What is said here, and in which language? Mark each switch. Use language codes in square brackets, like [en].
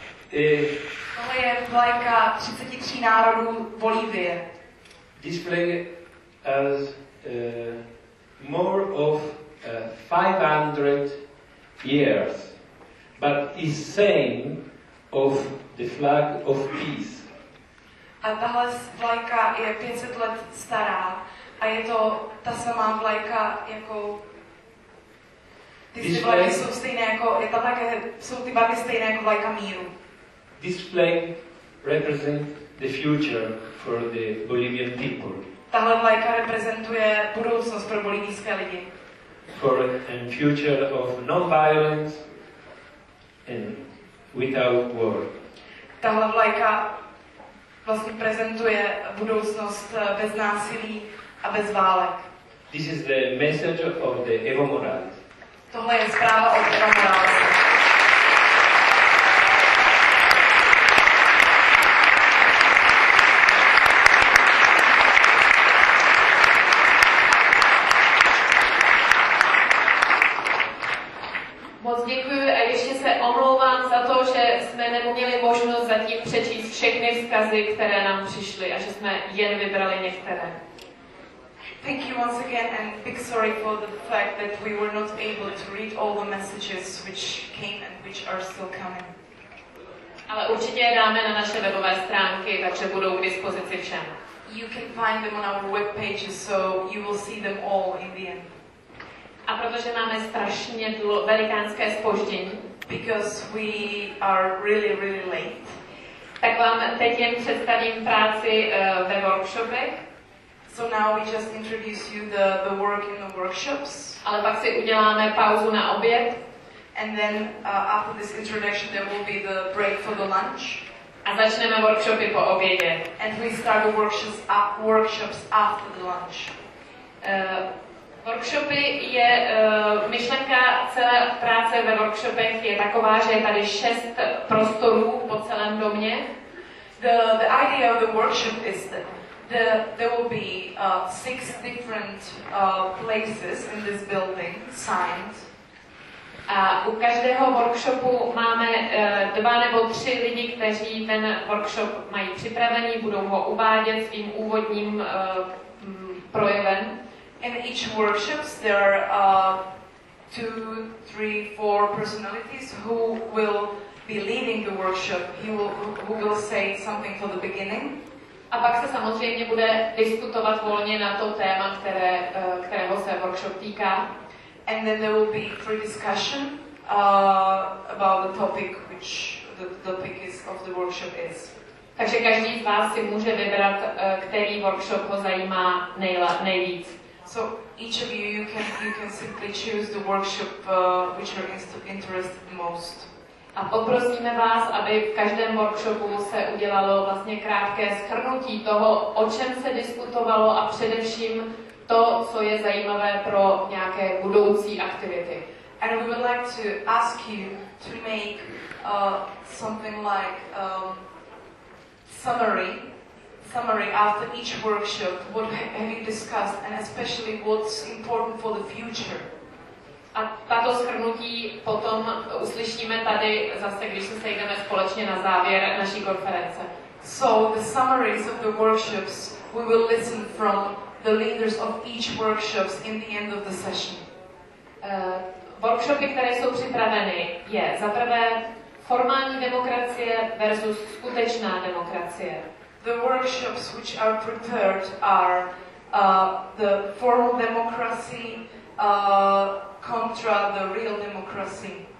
[cs] Tohle je vlajka 33 národů Bolívie. [en] This flag has more of 500 years, but is same of the flag of peace. [cs] A tahle vlajka je 500 let stará. A je to ta samá vlajka jako ty vlajky jsou stejné jako je tam také jsou ty barvy stejné jako vlajka míru. [en] This flag represents the future for the Bolivian people. [cs] Tahle vlajka reprezentuje budoucnost pro bolivijské lidi. [en] For a future of non-violence and without war. [cs] Tahle vlajka vlastně prezentuje budoucnost bez násilí. A bez válek. [en] This is the message of the Evo Morales. [cs] Tohle je zpráva od Evo Morales. Moc děkuji a ještě se omlouvám za to, že jsme neměli možnost zatím přečíst všechny vzkazy, které nám přišly a že jsme jen vybrali některé. [en] Thank you once again and big sorry for the fact that we were not able to read all the messages which came and which are still coming. [cs] Ale určitě dáme na naše webové stránky, takže budou k dispozici všem. [en] You can find them on our web pages, so you will see them all in the end. [cs] A protože máme strašně velikánské zpoždění, [en] because we are really really late. [cs] Tak vám teď jen představím práci ve workshopech. [en] So now we just introduce you the work in the workshops. [cs] Ale pak si uděláme pauzu na oběd. [en] And then after this introduction there will be the break for the lunch. [cs] A začneme workshopy po obědě. [en] And we start the workshops after the lunch. [cs] Workshopy je myšlenka celé práce ve workshopech je taková, že je tady 6 prostorů po celém domě. [en] The idea of the workshop is that there will be 6 different places in this building signed. [cs] A u každého workshopu máme 2 nebo 3 lidi, kteří ten workshop mají připravený, budou ho uvádět svým úvodním projevem. [en] In each workshop there are 2, 3, 4 personalities who will be leading the workshop. Who will say something for the beginning. [cs] A pak se samozřejmě bude diskutovat volně na to téma, kterého se workshop týká. [en] And then there will be free discussion about the topic which the topic is of the workshop is. [cs] Takže každý z vás si může vybrat, který workshop ho zajímá nejvíc. [en] So each of you you can simply choose the workshop which you're interested the most. [cs] A poprosíme vás, aby v každém workshopu se udělalo vlastně krátké shrnutí toho, o čem se diskutovalo a především to, co je zajímavé pro nějaké budoucí aktivity. [en] And we would like to ask you to make something like summary after each workshop, what have you discussed and especially what's important for the future. [cs] A tato shrnutí potom uslyšíme tady zase, když se sejdeme společně na závěr naší konference. [en] So the summaries of the workshops we will listen from the leaders of each workshops in the end of the session. [cs] workshopy, které jsou připraveny, je za prvé formální demokracie versus skutečná demokracie. [en] The workshops which are prepared are the formal democracy contra the real democracy.